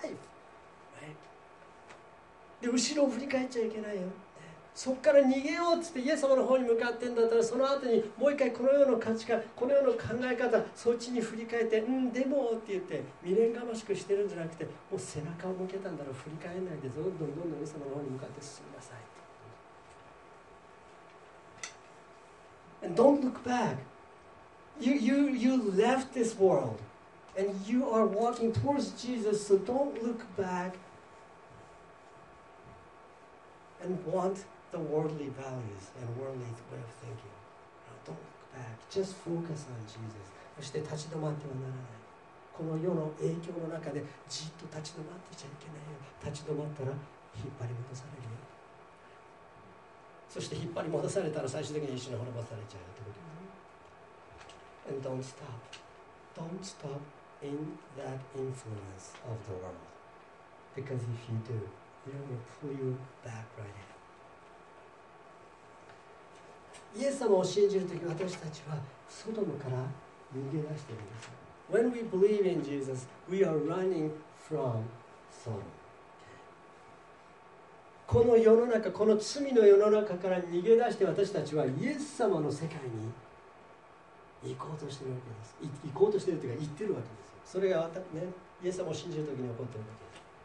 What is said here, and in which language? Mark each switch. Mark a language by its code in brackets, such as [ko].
[ja] Right? で、後ろを振り返っちゃいけないよ。そこから逃げようって言って、イエス様の方に向かってんだったら、その後にもう一回この世の価値観、この世の考え方、そっちに振り返って、うん、でもって言って、未練がましくしてるんじゃなくて、もう背中を向けたんだろう、振り返らないで、どんどんどんどんイエス様の方に向かって進みなさい。 [en] And don't look back. You left this world and you are walking towards Jesus, so don't look back and want the worldly values and worldly way of thinking. No, don't look back. Just focus on Jesus. [ja] そして立ち止まってはならない。この世の影響の中でじっと立ち止まってちゃいけないよ。立ち止まったら引っ張り戻されるよ。そして引っ張り戻されたら最終的に一緒に滅ぼされちゃうってこと。 [en] And don't stop. Don't stop in that influence of the world. Because if you do, it will pull you back right in. [ja] イエス様を信じるとき、私たちは外のから逃げ出しているんです。 [en] When we believe in Jesus, we are running from Sodom. [ja] この世の中、この罪の世の中から逃げ出して、私たちはイエス様の世界に行こうとしているわけです。行こうとしているというか、行ってるわけです。それが、ね、イエス様を信じるときに起こっているわけです。